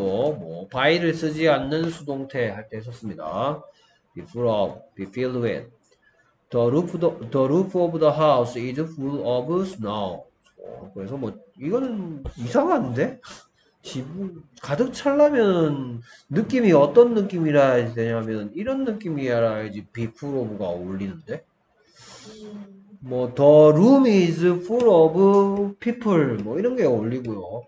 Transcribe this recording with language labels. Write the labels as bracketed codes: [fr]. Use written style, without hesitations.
[ko] 뭐 by를 쓰지 않는 수동태 할 때 썼습니다. [en] Be full of, be filled with. The roof of the house is full of snow. [ko] 그래서 뭐 이거는 이상한데? 집 가득 찰라면 느낌이 어떤 느낌이라 해야 되냐면 이런 느낌이라 해야지 be full of가 어울리는데? 뭐 [en] the room is full of people [ko] 뭐 이런 게 어울리고요.